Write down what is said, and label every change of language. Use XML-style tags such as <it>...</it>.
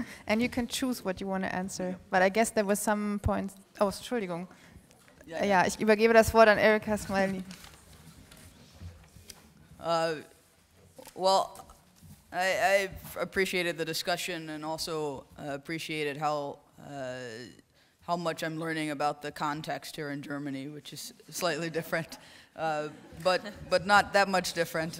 <en>And you can choose what you want to answer. But I guess there were some points.</en> <de>Oh, Entschuldigung. Ja, ich übergebe das Wort an Erika Smiley.</de> <en>Well, I appreciated the discussion and also appreciated how much I'm learning about the context here in Germany, which is slightly different, but not that much different.</en>